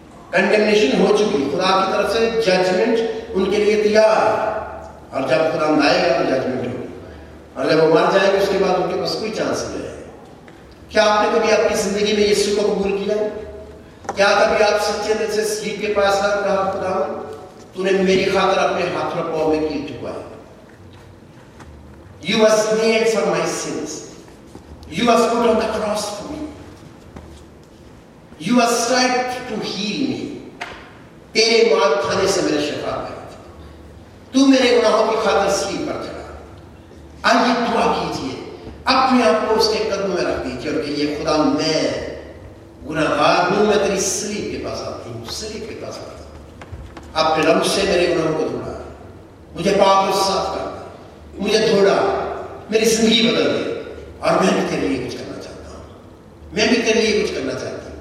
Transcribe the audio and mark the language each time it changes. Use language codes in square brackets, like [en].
[ur] Condemnation ہو چکی، خدا کی طرف سے ججمنٹ ان کے لیے تیار ہے، اور جب خدا آئے گا تو ججمنٹ ہوگی، اور جب وہ مر جائے گا اس کے بعد ان کے پاس کوئی چانس نہیں ہے۔ کیا آپ نے کبھی اپنی زندگی میں یسوع کو قبول کیا؟ کیا کبھی آپ سچے دل سے سلیب کے پاس آ کر کہا خدا تو نے میری خاطر اپنے ہاتھوں اور پاؤں میں کیے چکا ہے؟ [en] You was nailed for my sins. You was put on the cross for me. You was stripped to heal me. [ur] تیرے مار کھانے سے میرے شفا پائی تھی، تو میرے گناہوں کی خاطر سلیب پر چڑھا۔ آئیے دعا کیجیے، اپنے آپ کو اس کے قدموں میں رکھ دیجیے اور کہیے خدا میں گناہگار ہوں، میں تیری سلیب کے پاس آتی ہوں، سلیب کے پاس آتی ہوں، اپنے رب سے میرے گناہوں کو دھوڑا، مجھے پاک اور صاف کر، مجھے دھوڑا، میری زندگی بدل دے، اور میں بھی تیرے لیے کچھ کرنا چاہتا ہوں، میں بھی تیرے لیے کچھ کرنا چاہتا ہوں۔